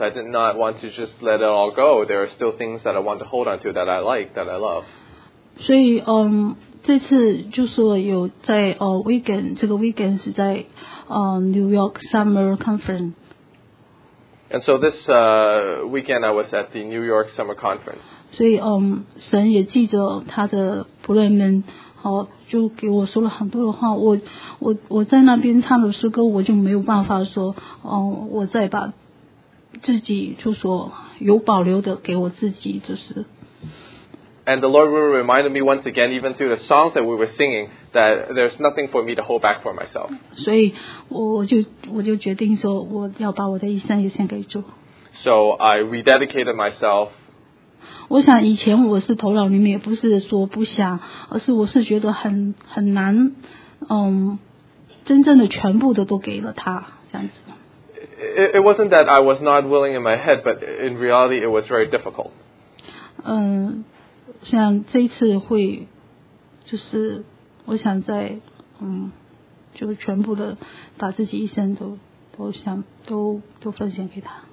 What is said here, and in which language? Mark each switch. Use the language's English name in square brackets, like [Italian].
[English] I did not want to just let it all go. There are still things that I want to hold on to that I like, that I love. [Chinese] 所以，这次就说有在weekend 这个 weekend 是在New York Summer Conference. [English] And so this weekend I was at the New York Summer Conference. [Chinese] 所以神也记着他的仆人们，就给我说了很多的话。我在那边唱的诗歌，我就没有办法说我再把自己就说有保留的给我自己就是。 [English] And the Lord reminded me once again, even through the songs that we were singing, that there's nothing for me to hold back for myself. [Chinese] 所以我就决定说我要把我的一生也献给主。 [English] So I rededicated myself. [Chinese] 我想以前我是头脑里面也不是说不想，而是我是觉得很难，真正的全部的都给了他这样子。 [English] It wasn't that I was not willing in my head, but in reality, it was very difficult. [Chinese] 像这一次会就是我想在就全部的把自己一生都想都奉献给他。